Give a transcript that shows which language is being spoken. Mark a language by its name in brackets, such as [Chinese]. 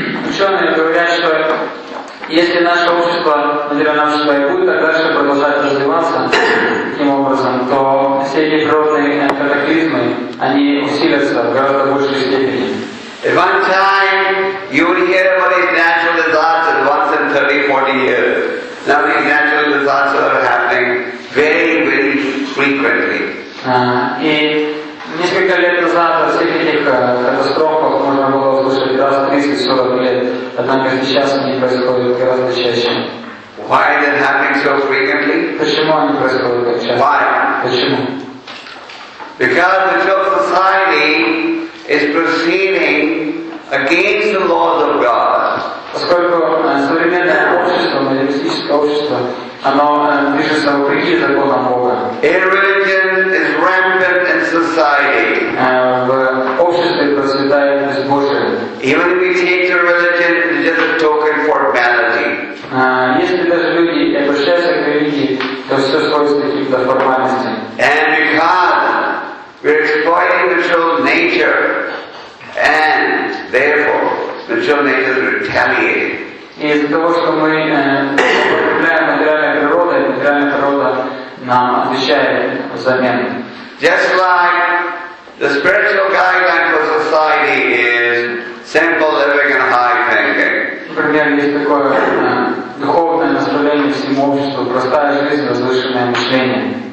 [Russian] Ученые говорят, что если наше общество, материальное общество, и будет так дальше продолжать развиваться таким образом, то все эти природные катаклизмы, они усилятся в гораздо большей степени. [English] At one time, you would hear about these natural disasters once in 30, 40 years. Now these natural disasters are happening very, very frequently. [Russian] Несколько лет назад о всех этих катастрофах можно было услышать раз в 30-40 лет, однако сейчас они происходят гораздо чаще. [English] Why is it happening so frequently? [Russian] Почему они происходят так часто? [English] Why? [Russian] Почему? [English] Because the whole society is proceeding against the laws of God. [Russian] Поскольку современное общество, материалистическое общество, оно движется вопреки законам Бога. [English] Irreligion is rampant in society. [Russian] В обществе процветает безбожие. [English] Even if we take the religion, it's just a token for formality. [Russian] Если даже люди обращаются к религии, то все сводится к каким-то формальностям. [English] And because we're exploiting the true nature, and therefore the true nature is retaliating. [Russian] Из-за того, что мы употребляем материальная природа нам отвечает взамен. [English] Just like the spiritual guideline for society is simple living and high thinking. [Russian] Например, есть такое духовное наставление всему обществу, простая жизнь, возвышенное мышление.